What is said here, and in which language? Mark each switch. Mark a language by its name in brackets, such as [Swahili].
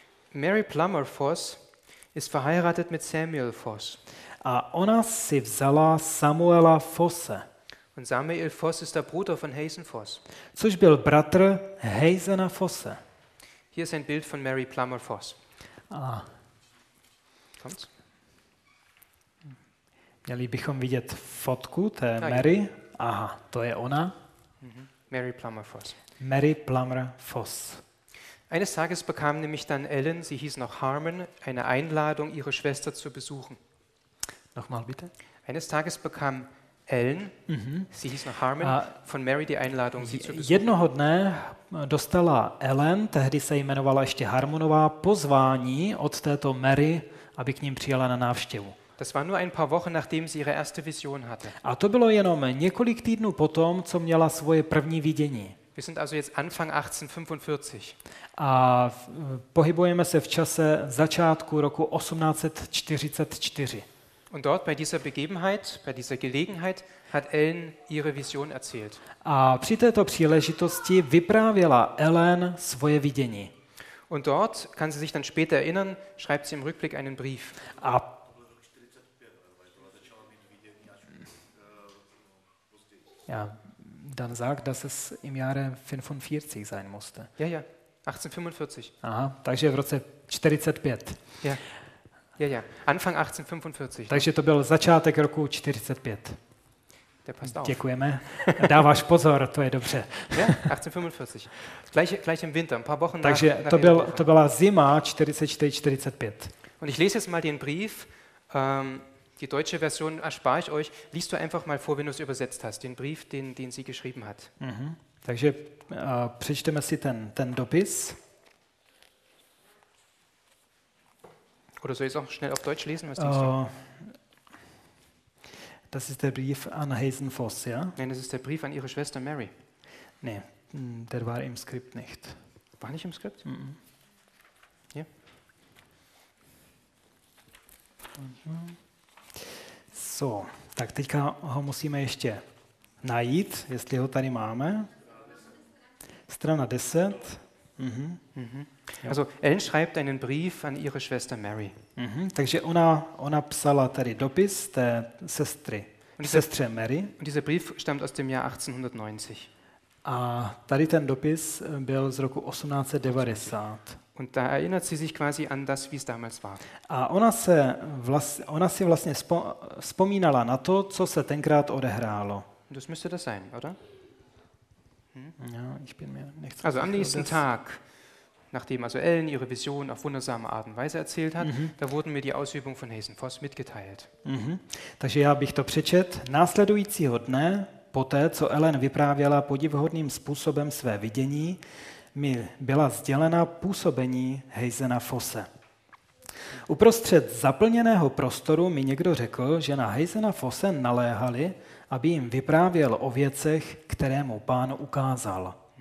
[German] Mary Plummer Foss ist verheiratet mit Samuel Foss. [Czech] A ona si vzala Samuela Fosse. [German] Und Samuel Foss ist der Bruder von Hazen Foss. [Czech] Což byl bratr Hazena Fosse. [German] Hier ist ein Bild von Mary Plummer Foss. Ah. Kommt's? [Czech] Měli bychom vidět fotku té Mary. Aha, to je ona. Mary Plummer Foss. Mary Plummer Foss. [German] Eines Tages bekam nämlich dann Ellen, sie hieß noch Harmon, eine Einladung, ihre Schwester zu besuchen. Nochmal bitte. Eines Tages bekam Ellen, sie hieß noch Harmon, von Mary die Einladung, sie zu besuchen. [Czech] Jednoho dne dostala Ellen, tehdy se jmenovala ještě Harmonová, pozvání od této Mary, aby k ním přijela na návštěvu. [German] Das war nur ein paar Wochen, nachdem sie ihre erste Vision hatte. [Czech] A to bylo jenom několik týdnů potom, co měla svoje první vidění. [German] Wir sind also jetzt Anfang 1845. [Czech] A pohybujeme se v čase začátku roku 1844. [German] Und dort bei dieser Begebenheit, bei dieser Gelegenheit hat Ellen ihre Vision erzählt. [Czech] A při této příležitosti vyprávěla Ellen svoje vidění. [German] Und dort kann sie sich dann später erinnern, schreibt sie im Rückblick einen Brief. A ja. Dann sagt, dass es im Jahre 45 sein musste. Ja, ja, 1845. [Czech] Aha, takže v roce 45. [German] Ja, ja, ja. Anfang 1845. [Czech] Takže to byl začátek roku 45. [German] Der passt auf. [Czech] Děkujeme. Dáváš pozor, to je dobře. [German] Ja, 1845. Gleich im Winter, ein paar Wochen nach. [Czech] Takže to byla zima 44-45. [German] Und ich lese jetzt mal den Brief. Die deutsche Version erspare ich euch. Liest du einfach mal vor, wenn du es übersetzt hast, den Brief, den sie geschrieben hat. Mm-hmm. [Czech] Takže přečteme si ten dopis. [German] Oder soll ich es auch schnell auf Deutsch lesen? Was das ist der Brief an Hazen Foss, ja? Nein, das ist der Brief an ihre Schwester Mary. Nee, der war im Skript nicht. War nicht im Skript? Mhm. Hier. Mhm. [Czech] So, tak teďka ho musíme ještě najít, jestli ho tady máme. Strana 10. Mm-hmm. Mm-hmm. [German] Also Ellen schreibt einen Brief an ihre Schwester Mary. [Czech] Mm-hmm. Takže ona psala tady dopis té sestře Mary. [German] Und dieser Brief stammt aus dem Jahr 1890. [Czech] A tady ten dopis byl z roku 1890. [German] Und da erinnert sie sich quasi an das, wie es damals war. [Czech] A ona si vlastně vzpomínala na to, co se tenkrát odehrálo. [German] Das müsste das sein, oder? Ja, ich bin mir nicht sicher. Also am nächsten Tag, nachdem also Ellen ihre Vision auf wundersame Art und Weise erzählt hat, da wurden mir die Ausübungen von Hazen Foss mitgeteilt. [Czech] Mhm. Takže já bych to přečet. Následujícího dne, poté, co Ellen vyprávěla podivhodným způsobem své vidění, mi byla sdělena působení Hazena Fosse. Uprostřed zaplněného prostoru mi někdo řekl, že na Hazena Fosse naléhali, aby jim vyprávěl o věcech, které mu pán ukázal.